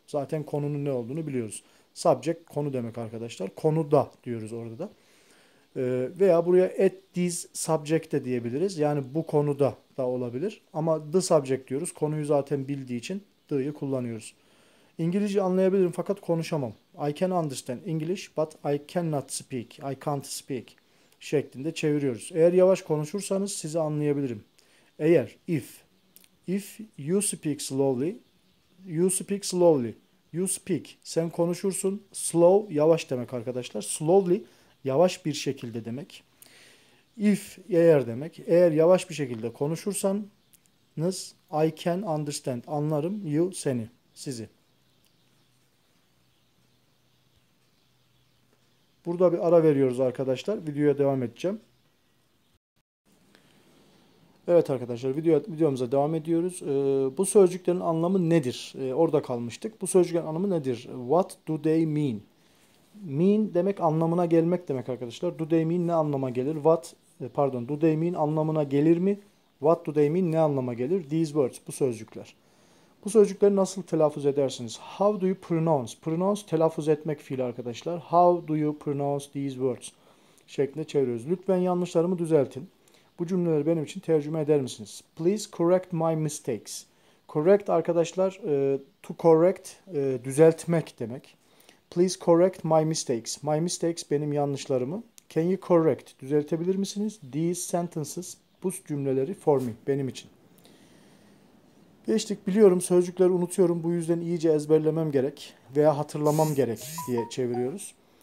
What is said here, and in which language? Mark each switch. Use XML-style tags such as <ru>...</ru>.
<tr>Zaten konunun ne olduğunu biliyoruz. Subject konu demek arkadaşlar. Konuda diyoruz orada da. Veya buraya</tr> <en>at this subject</en> <tr>de diyebiliriz. Yani bu konuda da olabilir. Ama</tr> <en>the subject</en> <tr>diyoruz. Konuyu zaten bildiği için the'yı kullanıyoruz. İngilizce anlayabilirim fakat konuşamam.</tr> <en>I can understand English but I cannot speak. I can't speak</en> <tr>şeklinde çeviriyoruz. Eğer yavaş konuşursanız sizi anlayabilirim. Eğer</tr> <en>if you speak slowly, you speak</en> <tr>slowly, you speak, sen konuşursun, slow yavaş demek arkadaşlar. Slowly yavaş bir şekilde demek. If eğer demek. Eğer yavaş bir şekilde konuşursanız</tr> <en>I can understand,</en> <tr>anlarım you, seni, sizi. Burada bir ara veriyoruz arkadaşlar. Videoya devam edeceğim. Evet arkadaşlar, videomuza devam ediyoruz. Bu sözcüklerin anlamı nedir? Orada kalmıştık. Bu sözcüklerin anlamı nedir?</tr> <en>What do they mean?</en> <tr>Mean demek anlamına gelmek demek arkadaşlar.</tr> <en>Do they mean</en> <tr>ne anlama gelir? Pardon, do they mean anlamına gelir mi?</tr> <en>What do they mean</en> <tr>ne anlama gelir?</tr> <en>These words,</en> <tr>bu sözcükler. Bu sözcükleri nasıl telaffuz edersiniz?</tr> <en>How do you pronounce?</en> <tr>Pronounce telaffuz etmek fiili arkadaşlar.</tr> <en>How do you pronounce these words?</en> <tr>Şeklinde çeviriyoruz. Lütfen yanlışlarımı düzeltin. Bu cümleleri benim için tercüme eder misiniz?</tr> <en>Please correct my mistakes.</en> <tr>Correct arkadaşlar, to correct, düzeltmek demek.</tr> <en>Please correct my mistakes. My mistakes</en> <tr>benim yanlışlarımı.</tr> <en>Can you correct?</en> <tr>Düzeltebilir misiniz?</tr> <en>These sentences,</en> <tr>bu cümleleri</tr> <en>for me,</en> <tr>benim için. Geçtik, biliyorum sözcükleri unutuyorum. Bu yüzden iyice ezberlemem gerek veya hatırlamam gerek diye çeviriyoruz.</tr>